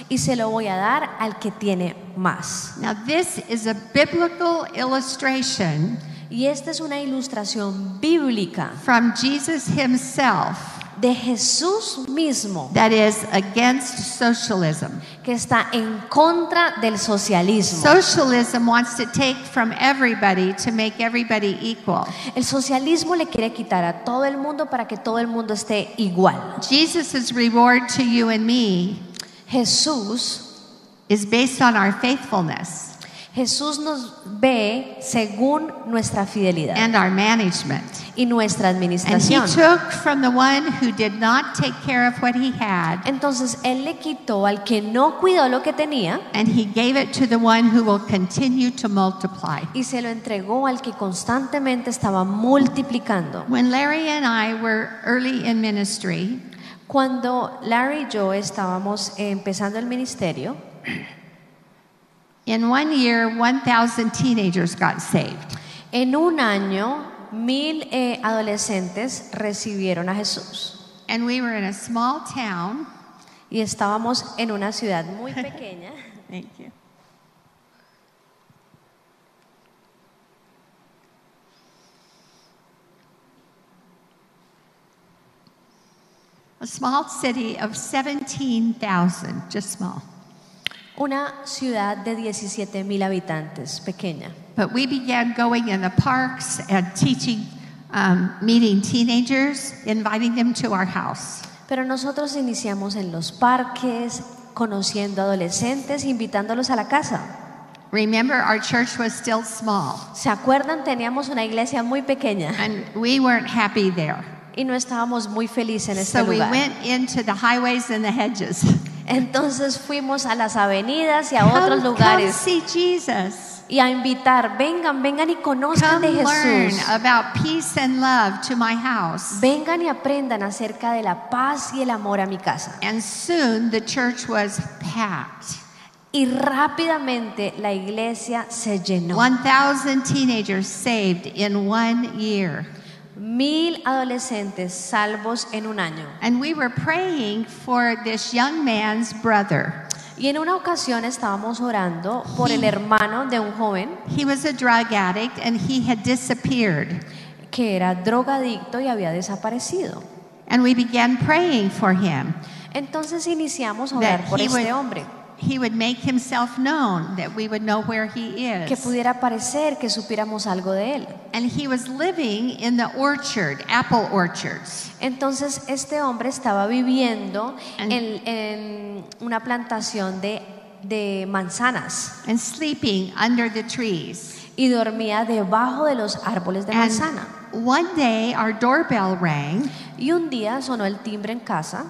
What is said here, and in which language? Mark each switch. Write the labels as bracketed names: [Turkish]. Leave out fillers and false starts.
[Spanish] Y se lo voy a dar al que tiene más. [English] Now this is a biblical illustration. [Spanish] Y esta es una ilustración bíblica. [English] From Jesus himself. [Spanish] De Jesús mismo. [English] That is against socialism. [Spanish] Que está en contra del socialismo. [English] Socialism wants to take from everybody to make everybody equal. [Spanish] El socialismo le quiere quitar a todo el mundo para que todo el mundo esté igual. [English] Jesus's reward to you and me. [Spanish] Jesús [English] is based on our faithfulness. [Spanish] Jesús nos ve según nuestra fidelidad. [English] And our management. [Spanish] Y nuestra administración. [English] And he took from the one who did not take care of what he had. [Spanish] Entonces él le quitó al que no cuidó lo que tenía. [English] And he gave it to the one who will continue to multiply. [Spanish] Y se lo entregó al que constantemente estaba multiplicando. [English] When Larry and I were early in ministry, [Spanish] cuando Larry y yo estábamos empezando el ministerio, [English] in 1 year, 1,000 teenagers got saved. [Spanish] En un año, 1,000 adolescentes recibieron a Jesús. [English] And we were in a small town. [Spanish] Y estábamos en una ciudad muy pequeña. [English] Thank you. A small city of 17,000, just small. [Spanish] Una ciudad de 17,000 habitantes, pequeña. [English] But we began going in the parks and teaching, meeting teenagers, inviting them to our house. [Spanish] Pero nosotros iniciamos en los parques, conociendo adolescentes, invitándolos a la casa. [English] Remember, our church was still small. [Spanish] ¿Se acuerdan? Teníamos una iglesia muy pequeña. [English] And we weren't happy there. [Spanish] Y no estábamos muy felices en ese [English] so [Spanish] lugar. [English] We went into the highways and the hedges. [Spanish] Entonces fuimos a las avenidas y a otros lugares. [English] Come see Jesus. [Spanish] Y a invitar, vengan y conozcan de Jesús. [English] Come learn about peace and love to my house. [Spanish] Vengan y aprendan acerca de la paz y el amor a mi casa. [English] And soon the church was packed. [Spanish] Y rápidamente la iglesia se llenó. [English] 1,000 teenagers saved in 1 year. [Spanish] 1,000 adolescentes salvos en un año. [English] And we were praying for this young man's brother. [Spanish] Y en una ocasión estábamos orando por el hermano de un joven. [English] He was a drug addict and he had disappeared. [Spanish] Que era drogadicto y había desaparecido. [English] And we began praying for him. [Spanish] Entonces iniciamos a orar por este hombre. [English] He would make himself known that we would know where he is. [Spanish] Que pudiera aparecer, que supiéramos algo de él. [English] And he was living in the orchard, apple orchards. [Spanish] Entonces este hombre estaba viviendo en una plantación de manzanas. [English] And sleeping under the trees. [Spanish] Y dormía debajo de los árboles de manzana. [English] And one day our doorbell rang. [Spanish] Y un día sonó el timbre en casa.